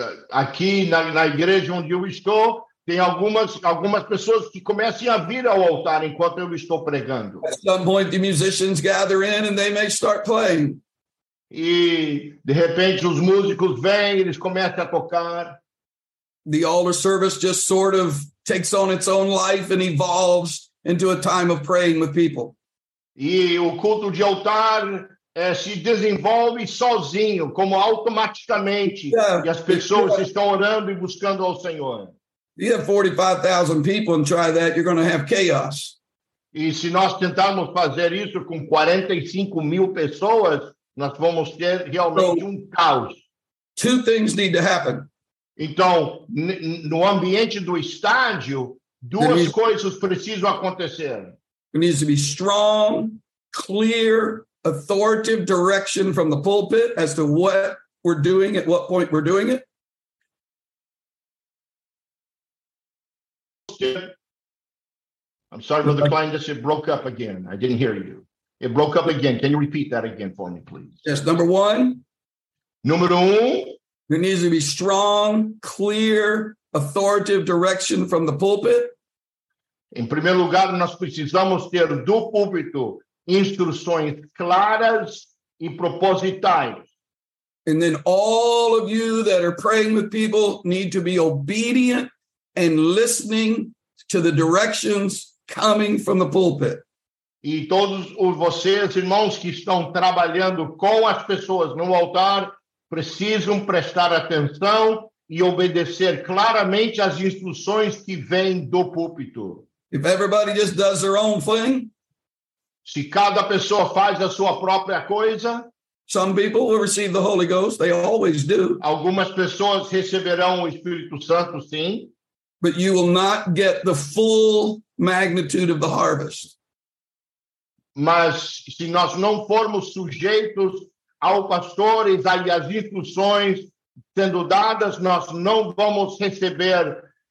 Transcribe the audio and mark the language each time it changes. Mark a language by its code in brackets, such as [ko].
[pt] Aqui na igreja onde eu estou, tem algumas pessoas que começam a vir ao altar enquanto eu estou pregando. [en] At some point, the musicians gather in and they may start playing. [pt] E, de repente, os músicos vêm, eles começam a tocar. [en] The altar service just sort of takes on its own life and evolves into a time of praying with people. [pt] E o culto de altar se desenvolve sozinho, como automaticamente. Yeah. E as pessoas estão orando e buscando ao Senhor. [en] You have 45,000 people and try that, you're going to have chaos. [pt] E se nós tentarmos fazer isso com 45 mil pessoas, nós vamos ter realmente caos. [en] Two things need to happen. [pt] Então, no ambiente do estádio, duas coisas precisam acontecer. [en] There needs to be strong, clear, authoritative direction from the pulpit as to what we're doing, at what point we're doing it. I'm sorry, Brother Klein, just it broke up again. I didn't hear you. It broke up again. Can you repeat that again for me, please? Yes, number one. [pt] Número um. [en] There needs to be strong, clear, authoritative direction from the pulpit. [pt] Em primeiro lugar, nós precisamos ter do púlpito instruções claras e propositais. [en] And then all of you that are praying with people need to be obedient and listening to the directions coming from the pulpit. [pt] E todos vocês, irmãos, que estão trabalhando com as pessoas no altar, precisam prestar atenção e obedecer claramente as instruções que vêm do púlpito. [en] If everybody just does their own thing, [pt] se cada pessoa faz a sua própria coisa, [en] some people will receive the Holy Ghost, they always do. [pt] Algumas pessoas receberão o Espírito Santo, sim. [en] But you will not get the full magnitude of the harvest. [pt] Mas se nós não formos sujeitos ao pastor e às instruções sendo dadas, nós não vamos receber